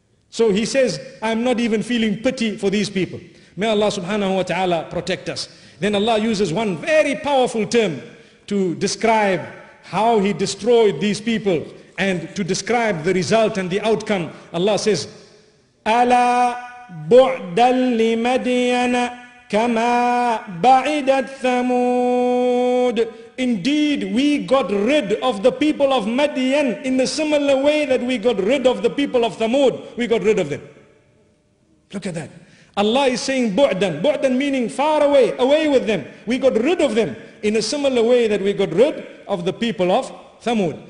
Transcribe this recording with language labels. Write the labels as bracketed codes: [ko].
[en] So he says, I'm not even feeling pity for these people. May Allah subhanahu wa ta'ala protect us. Then Allah uses one very powerful term to describe how he destroyed these people and to describe the result and the outcome. Allah says, [ar] أَلَا بُعْدًا لِمَدْيَنَ كَمَا بَعِدَتْ ثَمُودُ. [en] Indeed, we got rid of the people of Madian in the similar way that we got rid of the people of Thamud. We got rid of them. Look at that. Allah is saying bu'dan, bu'dan meaning far away, away with them. We got rid of them in a similar way that we got rid of the people of Thamud.